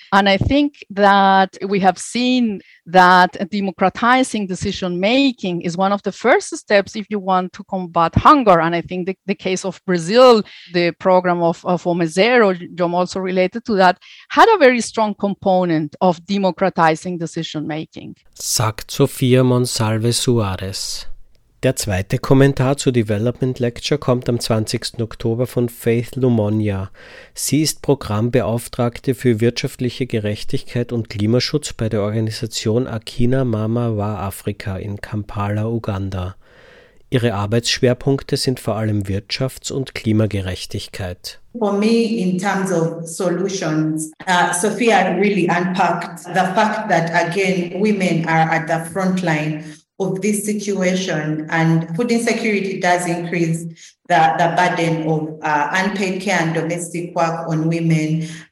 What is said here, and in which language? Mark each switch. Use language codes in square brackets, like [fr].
[en] And I think that we have seen that democratizing decision making is one of the first steps if you want to combat hunger. And I think the case of Brazil, the program of Fome Zero, John also related to that, had a very strong component of democratizing decision making. [de] Sagt Sofia Monsalve Suarez. Der zweite Kommentar zur Development Lecture kommt am 20. Oktober von Faith Lumonia. Sie ist Programmbeauftragte für wirtschaftliche Gerechtigkeit und Klimaschutz bei der Organisation Akina Mama wa Afrika in Kampala, Uganda. Ihre Arbeitsschwerpunkte sind vor allem Wirtschafts- und Klimagerechtigkeit. [en] For me, in terms of solutions, Sophia really unpacked the fact that, again, women are at the front line of this situation, and food insecurity does increase the burden of unpaid care and domestic work on women,